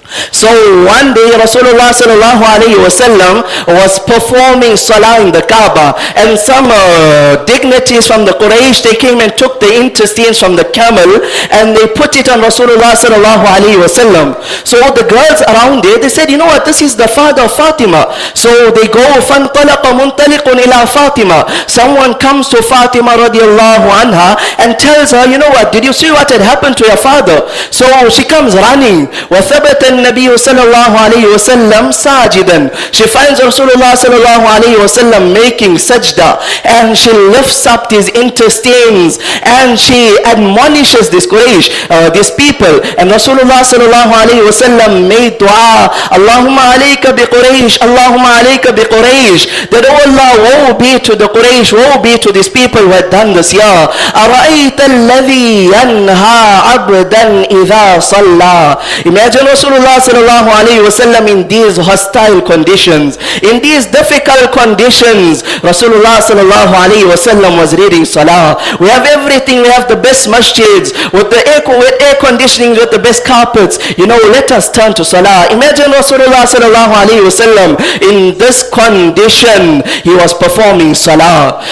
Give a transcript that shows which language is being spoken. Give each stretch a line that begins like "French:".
English: So one day Rasulullah sallallahu alayhi wa sallam was performing salah in the Kaaba, and some dignitaries from the Quraysh, they came and took the intestines from the camel and they put it on Rasulullah sallallahu alayhi wa sallam. So the girls around there, they said, you know what, this is the father of Fatima. So they go,
Arabic: فَانْطَلَقَ مُنْطَلِقٌ إِلَىٰ
English: Fatima. Someone comes to Fatima radiallahu anha and tells her, you know what, did you see what had happened to your father? So she comes running.
Arabic: وَثَبَتَ النبي صلى الله عليه وسلم ساجدا.
English: She finds Rasulullah صلى الله عليه وسلم making sajda, and she lifts up these intestines and she admonishes this Quraysh, these people. And Rasulullah صلى الله عليه وسلم made dua,
Arabic: اللهم عليك بقريش, اللهم عليك بقريش.
English: That oh Allah, woe be to the Quraysh, woe be to these people who had done this.
Arabic: Ya أرأيت الذي ينهى عبدا إذا صلى.
English: Imagine Rasulullah sallallahu alayhi wa sallam in these hostile conditions, in these difficult conditions, Rasulullah sallallahu alayhi wa sallam was reading salah. We have everything, we have the best masjids with the air conditioning, with the best carpets. You know, let us turn to salah. Imagine Rasulullah sallallahu alayhi wa sallam in this condition, he was performing salah.